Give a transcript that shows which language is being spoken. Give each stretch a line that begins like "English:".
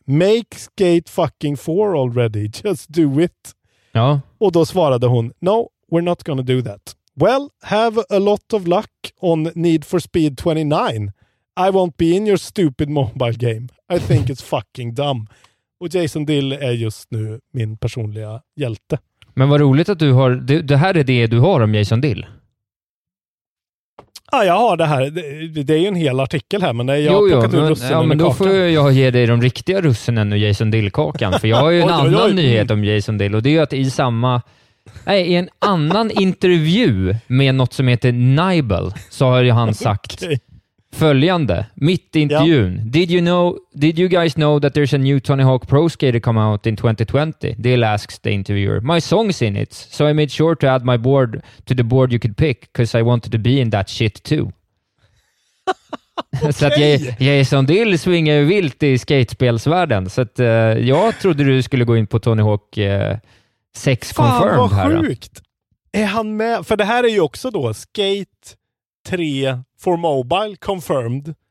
English: Make Skate fucking 4 already. Just do it.
Swedish: Ja. Och då svarade hon,
English: no, we're not gonna do that. Well, have a lot of luck on Need for Speed 29. I won't be in your stupid mobile game. I think it's fucking dumb.
Swedish: Och Jason Dill är just nu min personliga hjälte. Men vad roligt att du har... Det här är det du har om Jason Dill. Ja, jag har det här. Det är ju en hel artikel här, men jag har plockat ur russinen. Ja, men då får jag ge dig de riktiga russinen och Jason Dill-kakan. För jag har ju en annan nyhet om Jason Dill. Och det är ju att i samma... Nej, i en annan intervju med något som heter Nibel så har ju han sagt följande, mitt i intervjun.
English: Yeah. Did you guys know that there's a new Tony Hawk Pro Skater come out in 2020? Dill asks the interviewer. My song's in it, so I made sure to add my board to the board you could pick because I wanted to be in that shit too.
Swedish: Okay. Så att Jason Dill svingar ju vilt i skatespelsvärlden. Så att jag trodde du skulle gå in på Tony Hawk...
English: Sex confirmed.
Swedish: Fan, vad sjukt. Är han med? För det här är ju också då Skate 3 for Mobile confirmed.